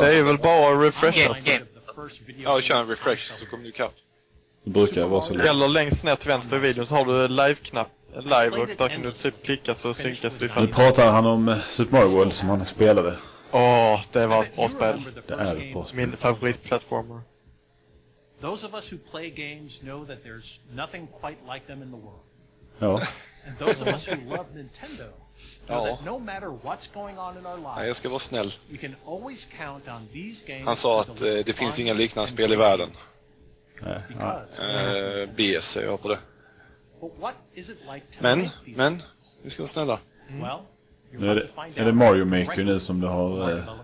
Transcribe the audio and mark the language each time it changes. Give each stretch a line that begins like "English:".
Swedish: Det är väl bara refreshers. Ja, kör en refresh så kommer du kapp. Det brukar vara så lätt. Eller längst ner till vänster i videon så har du live-knapp. Live och där kan du typ klicka så synkas du. Nu pratar han om Super Mario World som han spelade. Åh, oh, det var ett bra spel. Det är ett bra spel. Min favoritplattformer.
English: Those of us who play games know that there's nothing quite like them in the world. Ja. And those of us who love Nintendo know that no matter what's going on in our lives.
Swedish: Nej, jag ska vara snäll.
English: We can always count on these games.
Swedish: Han sa att det finns inga liknande spel i världen. Nej. Ja. BS säger jag på det.
English: But what is it like to
Swedish: men, vi ska vara snälla. Mm. Well, nu är det Mario Maker nu som du har.